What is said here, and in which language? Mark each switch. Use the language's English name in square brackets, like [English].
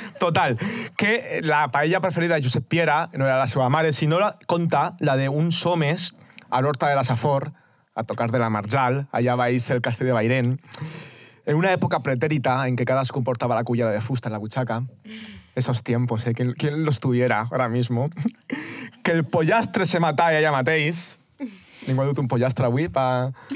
[Catalan] Total, que la paella preferida de Josep Piera no era la seva mare, sinó la, conta la d'uns homes a l'Horta de la Safor, a tocar de la Marjal, allà baix el castell de Bairén, en una època pretèrita en què cadascú portava la cullera de fusta en la butxaca. [Spanish] Esos tiempos, eh? Quien lo estuviera ara mismo. [Catalan] Que el pollastre se matava allà mateix... Ningú ha dut un pollastre avui pa...